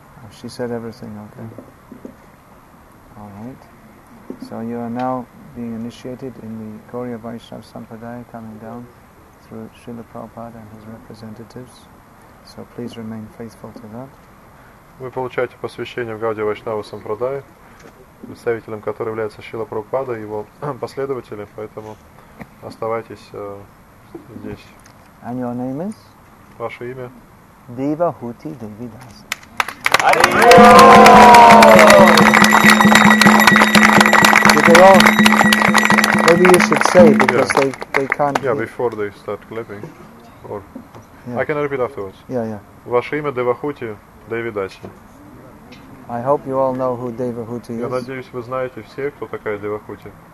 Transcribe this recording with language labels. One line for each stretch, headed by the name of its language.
English: She said everything, okay. All right. So you are now being initiated in the Gauriya Vaishnava Sampradaya, coming down through Srila Prabhupada and his representatives. So please remain faithful to that.
Russian: Вы получаете посвящение в Гаудия Вайшнава Сампрадая, представителем которого является Шрила Прабхупада и его последователи, поэтому оставайтесь здесь.
English: And your name is?
Russian: Ваше имя? Devahuti Devidas.
English: Did they all? Maybe you should say because yeah. they can't. Yeah, before they start clapping, or yeah. I can repeat afterwards. Yeah, yeah.
Russian: Ваше имя Девахути Девидаси.
English: I hope you all know who Девахути is.
Russian: Я надеюсь, вы знаете все, кто такая Девахути.